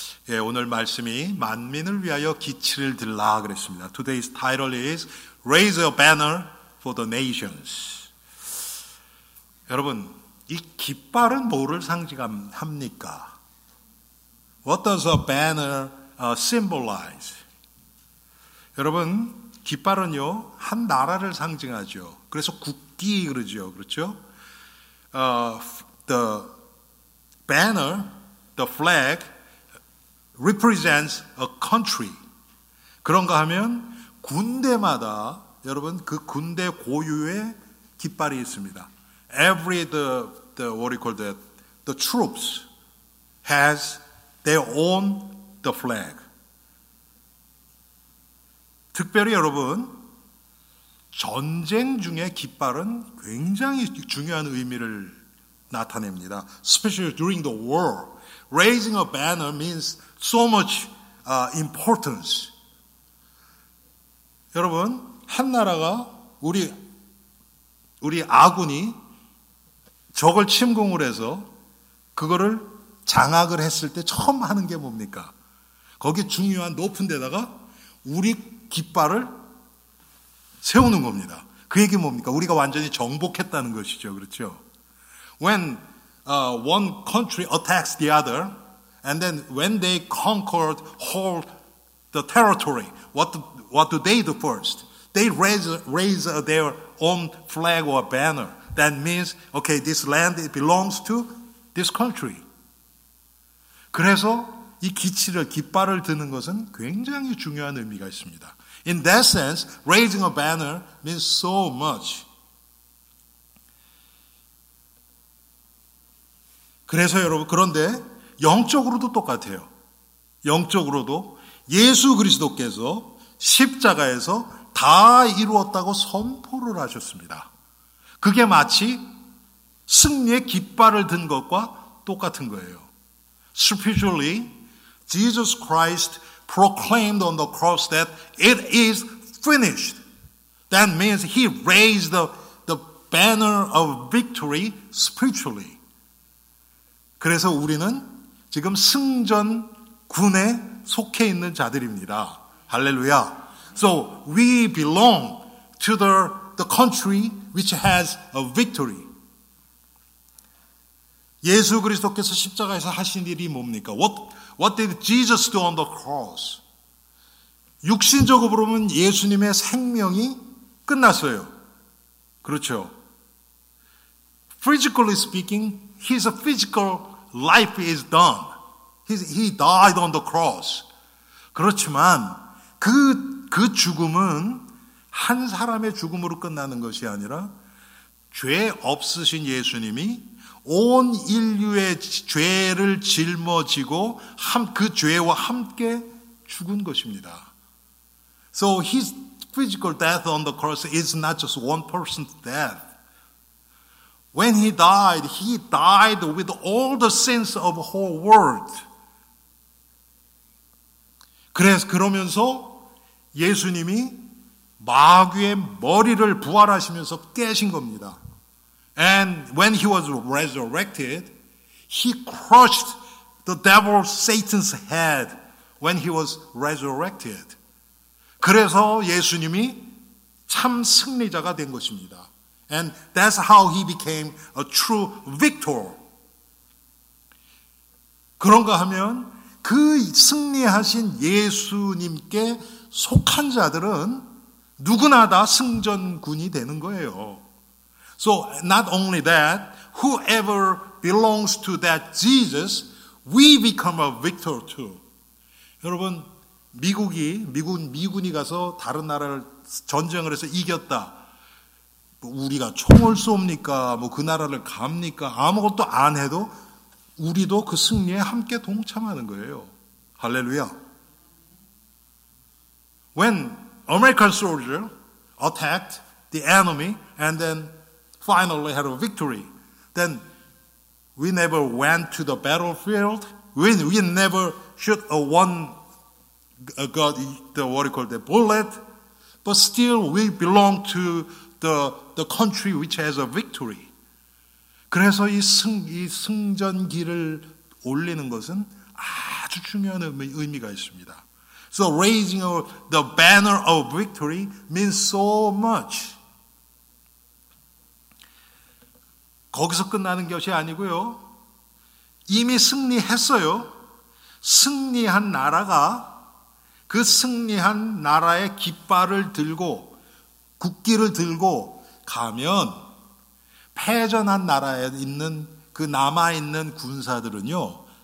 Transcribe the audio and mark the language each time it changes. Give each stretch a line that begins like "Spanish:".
Korean: 예, 오늘 말씀이 만민을 위하여 기치를 들라 그랬습니다.
English: Today's title is Raise a Banner for the Nations.
Korean: 여러분, 이 깃발은 뭐를 상징합니까?
English: What does a banner symbolize?
Korean: 여러분, 깃발은요, 한 나라를 상징하죠. 그래서 국기 그러죠. 그렇죠?
English: The banner, the flag, represents a country.
Korean: 그런가 하면 군대마다 여러분 그 군대 고유의 깃발이 있습니다.
English: Every the troops has their own the flag.
Korean: 특별히 여러분 전쟁 중에 깃발은 굉장히 중요한 의미를 나타냅니다.
English: Especially during the war, raising a banner means so much importance.
Korean: 여러분, 한 나라가 우리 아군이 적을 침공을 해서 그거를 장악을 했을 때 처음 하는 게 뭡니까? 거기 중요한 높은 데다가 우리 깃발을 세우는 겁니다. 그 얘기 뭡니까? 우리가 완전히 정복했다는 것이죠. 그렇죠?
English: When one country attacks the other, and then when they conquered whole the territory, what do they do first? They raise their own flag or banner. That means, okay, this land it belongs to this country.
Korean: 그래서 이 기치를 깃발을 드는 것은 굉장히 중요한 의미가 있습니다.
English: In that sense, raising a banner means so much.
Korean: 그래서 여러분, 그런데 영적으로도 똑같아요. 영적으로도 예수 그리스도께서 십자가에서 다 이루었다고 선포를 하셨습니다. 그게 마치 승리의 깃발을 든 것과 똑같은 거예요.
English: Spiritually, Jesus Christ proclaimed on the cross that it is finished. That means he raised the banner of victory spiritually.
Korean: 그래서 우리는 지금 승전군에 속해 있는 자들입니다. 할렐루야.
English: So we belong to the country which has a victory.
Korean: 예수 그리스도께서 십자가에서 하신 일이 뭡니까?
English: What did Jesus do on the cross?
Korean: 육신적으로 보면 예수님의 생명이 끝났어요. 그렇죠?
English: Physically speaking, his physical life is done. He died on the cross.
Korean: 그렇지만 그 죽음은 한 사람의 죽음으로 끝나는 것이 아니라 죄 없으신 예수님이 온 인류의 죄를 짊어지고 그 죄와 함께 죽은 것입니다.
English: So his physical death on the cross is not just one person's death. When he died with all the sins of the whole world.
Korean: 그래서 그러면서 예수님이 마귀의 머리를 부활하시면서 깨신 겁니다.
English: And when he was resurrected, he crushed the devil Satan's head when he was resurrected.
Korean: 그래서 예수님이 참 승리자가 된 것입니다.
English: And that's how he became a true victor.
Korean: 그런가 하면 그 승리하신 예수님께 속한 자들은 누구나 다 승전군이 되는 거예요.
English: So not only that, whoever belongs to that Jesus, we become a victor too.
Korean: 여러분, 미군이 가서 다른 나라를 전쟁을 해서 이겼다. 우리가 총을 쏩니까? 뭐 그 나라를 갑니까? 아무것도 안 해도 우리도 그 승리에 함께 동참하는 거예요. 할렐루야.
English: When American soldier attacked the enemy and then finally had a victory, then we never went to the battlefield. We never shoot a bullet, but still we belong to the country which has a victory.
Korean: 그래서 이 승전기를 올리는 것은 아주 중요한 의미가 있습니다.
English: So raising the banner of victory means so much.
Korean: 거기서 끝나는 것이 아니고요. 이미 승리했어요. 승리한 나라가 그 승리한 나라의 깃발을 들고 국기를 들고 가면 패전한 나라에 있는 그 남아있는 군사들은요.